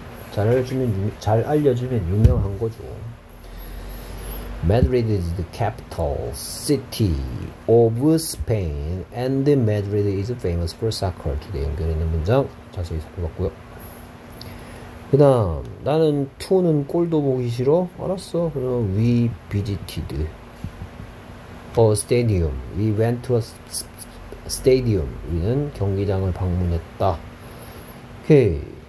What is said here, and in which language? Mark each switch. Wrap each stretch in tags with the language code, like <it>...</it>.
<ko>잘 알려지면 유명한 거죠.</ko> <en>Madrid is the capital city of Spain, and Madrid is famous for soccer.</en> <ko>두개 연결해 있는 문장 자세히 살펴봤고요. 그다음 나는 투는 골도 보기 싫어. 알았어. 그럼</ko> <en>we visited a stadium. We went to a stadium.</en> <ko>우리는 경기장을 방문했다. 오케이.</ko>